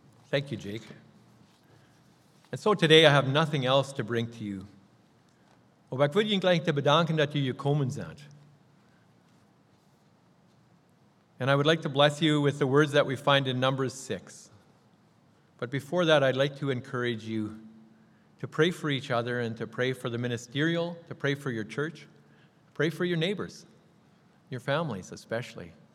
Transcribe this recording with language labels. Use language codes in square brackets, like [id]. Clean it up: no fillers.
[en] Thank you, Jake. And so today I have nothing else to bring to you. [nl] Maar ik wil je graag te bedanken dat je hier komen bent. [en] And I would like to bless you with the words that we find in Numbers 6. But before that, I'd like to encourage you to pray for each other and to pray for the ministerial, to pray for your church, pray for your neighbors, your families especially.